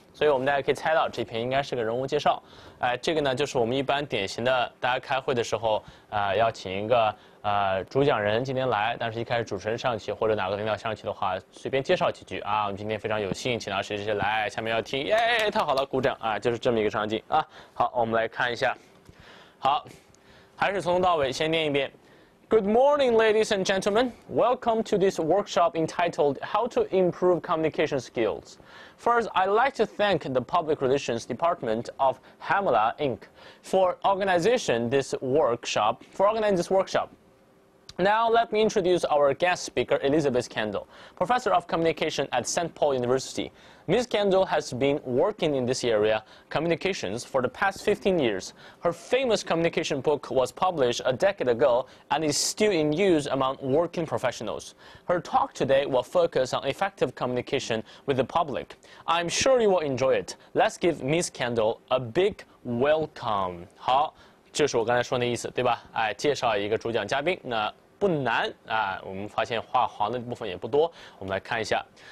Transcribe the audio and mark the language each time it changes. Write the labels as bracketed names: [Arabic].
[Chinese] 所以我们大家可以猜到，这篇应该是个人物介绍。这个呢，就是我们一般典型的，大家开会的时候要请一个主讲人今天来，但是一开始主持人上去或者哪个领导上去的话，随便介绍几句啊。我们今天非常有幸请到谁谁谁来，下面要听，耶，太好了，鼓掌啊，就是这么一个场景啊。好，我们来看一下，好，还是从头到尾先念一遍。 [English] Good morning, ladies and gentlemen. Welcome to this workshop entitled How to Improve Communication Skills. First, I'd like to thank the Public Relations Department of Hamela Inc. for organizing this workshop. Now, let me introduce our guest speaker, Elizabeth Kendall, professor of communication at St. Paul University. Ms. Kendall has been working in this area, communications, for the past 15 years. Her famous communication book was published a decade ago and is still in use among working professionals. Her talk today will focus on effective communication with the public. I'm sure you will enjoy it. Let's give Ms. Kendall a big welcome. [Chinese] 好，就是我刚才说的意思，对吧？介绍一个主讲嘉宾，那不难啊。我们发现画黄的部分也不多，我们来看一下。